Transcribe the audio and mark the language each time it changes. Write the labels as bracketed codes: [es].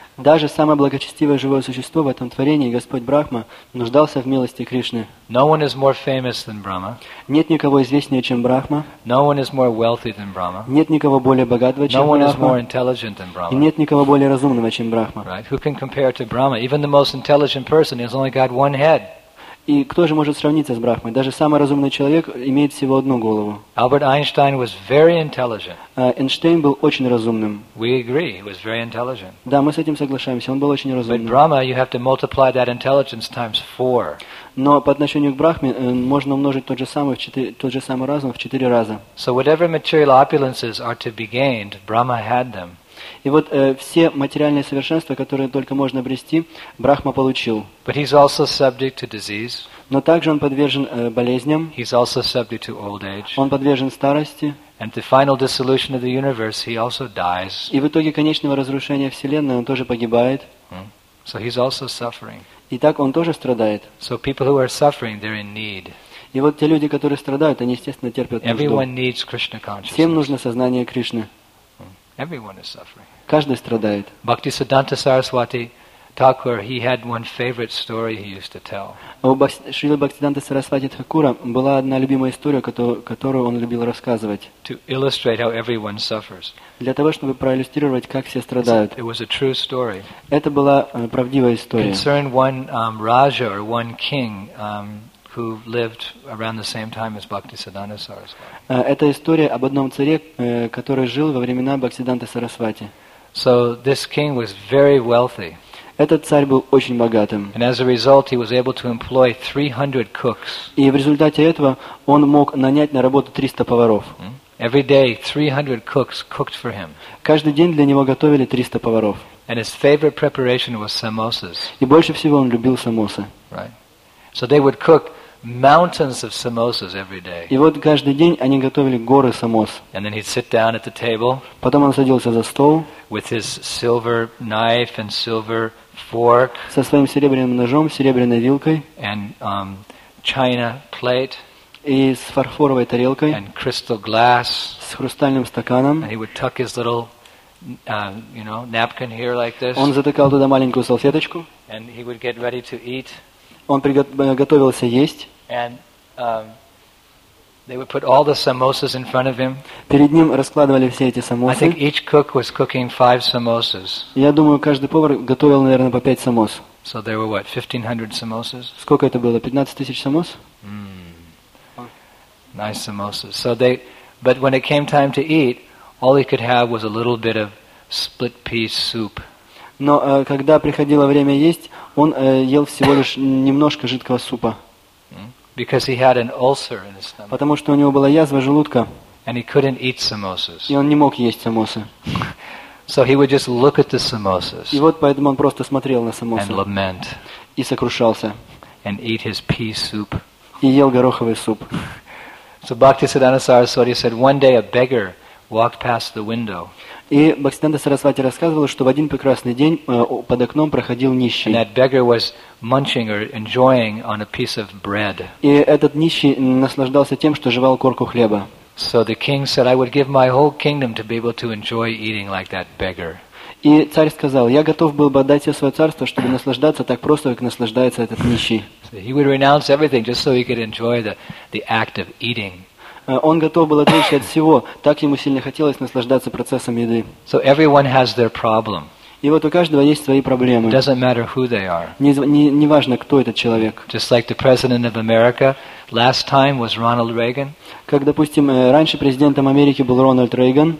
[ru] Даже самое благочестивое живое существо в этом творении, Господь Брахма, нуждался в милости Кришны. [en] No one is more famous than Brahma. [ru] Нет никого известнее, чем Брахма. [en] No one is more wealthy than Brahma. [ru] Нет никого более богатого, чем Брахма. [en] No one is more intelligent than Brahma. [ru] И нет никого более разумного, чем Брахма. [en] Right? Who can compare to Brahma? Even the most intelligent person has only got one head. [ru] И кто же может сравниться с Брахмой? Даже самый разумный человек имеет всего одну голову. [en] Albert Einstein was very intelligent. [ru] Эйнштейн был очень разумным. [en] We agree, he was very intelligent. [ru] Да, мы с этим соглашаемся, он был очень разумным. [en] But Brahma, you have to multiply that intelligence times four. [ru] Но по отношению к Брахме можно умножить тот же самый разум в 4 раза. [en] So whatever material opulences are to be gained, Brahma had them. [ru] И вот все материальные совершенства, которые только можно обрести, Брахма получил. [en] But he's also subject to disease. [ru] Но также он подвержен болезням. [en] He's also subject to old age. [ru] Он подвержен старости. [en] And the final dissolution of the universe, he also dies. [ru] И в итоге конечного разрушения Вселенной он тоже погибает. [en] So he's also suffering. [ru] Итак, он тоже страдает. [en] So people who are suffering, they're in need. [ru] И вот те люди, которые страдают, они, естественно, терпят нужду. [en] Everyone needs Krishna consciousness. [ru] Всем нужно сознание Кришны. [en] Everyone is suffering. [ru] Каждый страдает. [en] Bhakti Siddhanta Saraswati Thakur, he had one favorite story he used to tell. [ru] У Шрилы Бхактисиддханты Сарасвати Тхакура была одна любимая история, которую он любил рассказывать. [en] To illustrate how everyone suffers. [ru] Для того, чтобы проиллюстрировать, как все страдают. [en] It was a true story. [ru] Это была правдивая история. [en] Concerned one Raja or one king who lived around the same time as Bhaktisiddhanta Saraswati. [ru] Это история об одном царе, который жил во времена Бхактисиддханты Сарасвати. [en] So this king was very wealthy. [ru] Этот царь был очень богатым. [en] And as a result, he was able to employ 300 cooks. [ru] И в результате этого он мог нанять на работу 300 поваров. [en] Every day, 300 cooks cooked for him. [ru] Каждый день для него готовили 300 поваров. [en] And his favorite preparation was samosas. [ru] И больше всего он любил самосы. [en] Right. So they would cook mountains of samosas every day. [ru] И вот каждый день они готовили горы самос. [en] And then he'd sit down at the table. [ru] Потом он садился за стол. [en] With his silver knife and silver fork. [ru] Со своим серебряным ножом, серебряной вилкой. [en] And china plate. [ru] И с фарфоровой тарелкой. [en] And crystal glass. [ru] С хрустальным стаканом. [en] And he would tuck his little you know, napkin here like this. [ru] Он затыкал туда маленькую салфеточку. [en] And he would get ready to eat. [ru] Он готовился есть. [en] And they would put all the samosas in front of him. [ru] Перед ним раскладывали все эти самосы. [en] I think each cook was cooking 5 samosas. [ru] Я думаю, каждый повар готовил, наверное, по 5 самос. [en] So there were what, 1500 samosas? [ru] Сколько это было? 15,000 самос? [en] Nice samosas. So they, but when it came time to eat, all he could have was a little bit of split pea soup. [ru] Но когда приходило время есть, он ел всего лишь немножко жидкого супа. [en] Because he had an ulcer in his stomach. [ru] Потому что у него была язва желудка. [en] And he couldn't eat samosas. [ru] И он не мог есть самосы. [en] So he would just look at the samosas. [ru] И вот поэтому он просто смотрел на самосы. [en] And lament. [ru] И сокрушался. [en] And eat his pea soup. [ru] И ел гороховый суп. [en] So Bhaktisiddhanta Saraswati said, one day a beggar walked past the window. [ru] И Бхактисиддханта Сарасвати рассказывал, что в один прекрасный день под окном проходил нищий. [en] And that beggar was munching or enjoying on a piece of bread. [ru] И этот нищий наслаждался тем, что жевал корку хлеба. [en] So the king said, I would give my whole kingdom to be able to enjoy eating like that beggar. [ru] И царь сказал, я готов был бы отдать все свое царство, чтобы наслаждаться так просто, как наслаждается этот нищий. [en] So he would renounce everything just so he could enjoy the act of eating. [ru] Он готов был отречься от всего, так ему сильно хотелось наслаждаться процессом еды. [en] So everyone has their problem. [ru] И вот у каждого есть свои проблемы. [en] It doesn't matter who they are. [ru] Не важно, кто этот человек. [en] Just like the president of America, last time was Ronald Reagan. [ru] Как, допустим, раньше президентом Америки был Рональд Рейган.